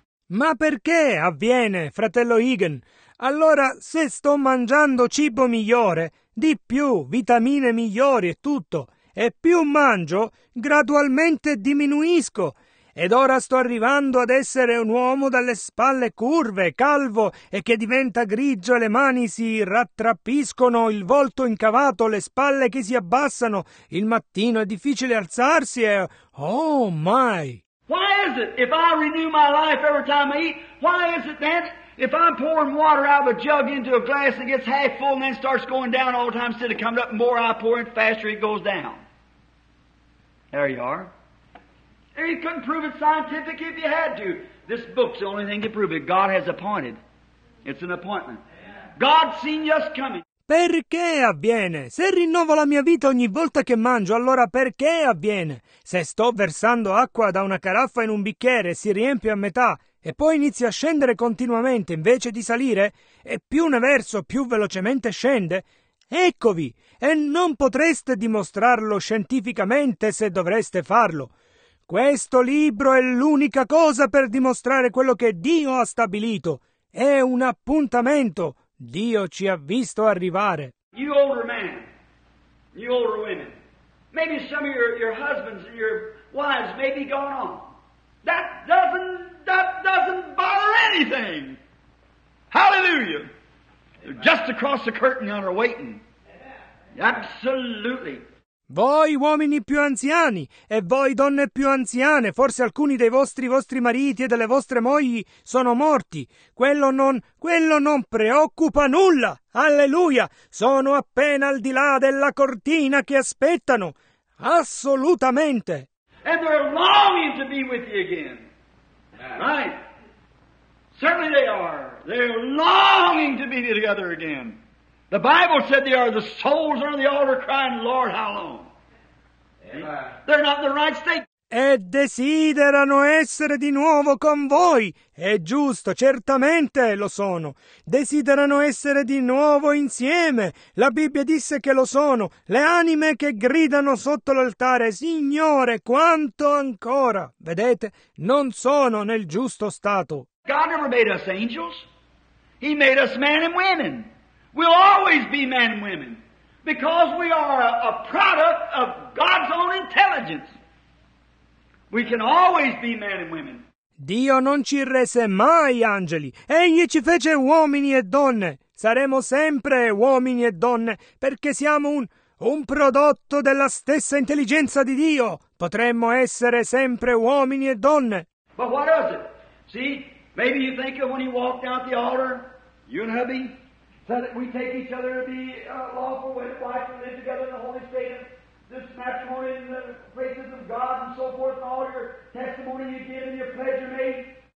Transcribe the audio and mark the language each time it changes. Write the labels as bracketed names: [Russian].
[Italian] Ma perché avviene, fratello Egan? Allora, se sto mangiando cibo migliore, di più, vitamine migliori e tutto, e più mangio, gradualmente diminuisco. Ed ora sto arrivando ad essere un uomo dalle spalle curve, calvo, e che diventa grigio e le mani si rattrappiscono, il volto incavato, le spalle che si abbassano, il mattino è difficile alzarsi e... [English] Oh, my! Why is it, if I renew my life every time I eat, why is it that... If I'm pouring water out of a jug into a glass that gets half full and then starts going down all the time instead of coming up, the more I pour it, faster it goes down. There you are. And you couldn't prove it scientific if you had to. This book's the only thing to prove it. God has appointed. It's an appointment. God's seen us coming. [Italian] Perché avviene? Se rinnovo la mia vita ogni volta che mangio, allora perché avviene? Se sto versando acqua da una caraffa in un bicchiere e si riempie a metà, e poi inizia a scendere continuamente invece di salire, e più ne verso più velocemente scende, eccovi, e non potreste dimostrarlo scientificamente se dovreste farlo. Questo libro è l'unica cosa per dimostrare quello che Dio ha stabilito. È un appuntamento. Dio ci ha visto arrivare. [English] You older men, you older women, maybe some of your husbands and your wives may be gone on. That doesn't bother anything. Hallelujah. Amen. Just across the curtain yonder waiting. Amen. Absolutely. [Italian] Voi uomini più anziani e voi donne più anziane, forse alcuni dei vostri mariti e delle vostre mogli sono morti. Quello non preoccupa nulla. Alleluia! Sono appena al di là della cortina che aspettano. Assolutamente. [English] And they're longing to be with you again. Right? Certainly they are. They're longing to be together again. The Bible said they are the souls under the altar crying, Lord, how long? They're not in the right state. [Italian] E desiderano essere di nuovo con voi. È giusto, certamente lo sono. Desiderano essere di nuovo insieme. La Bibbia disse che lo sono. Le anime che gridano sotto l'altare, Signore, quanto ancora? Vedete, non sono nel giusto stato. [English] God never made us angels. He made us men and women. We'll always be men and women, because we are a product of God's own intelligence. We can always be men and women. [Italian] Dio non ci rese mai angeli. Egli ci fece uomini e donne. Saremo sempre uomini e donne, perché siamo un prodotto della stessa intelligenza di Dio. Potremmo essere sempre uomini e donne. [English] But what is it? See, maybe you think of when he walked out the altar, you and hubby, so that we take each other to be lawful wife and live together in the Holy State of this matrimony and the praises of God and so forth, and all your testimony you give and your pledge you made.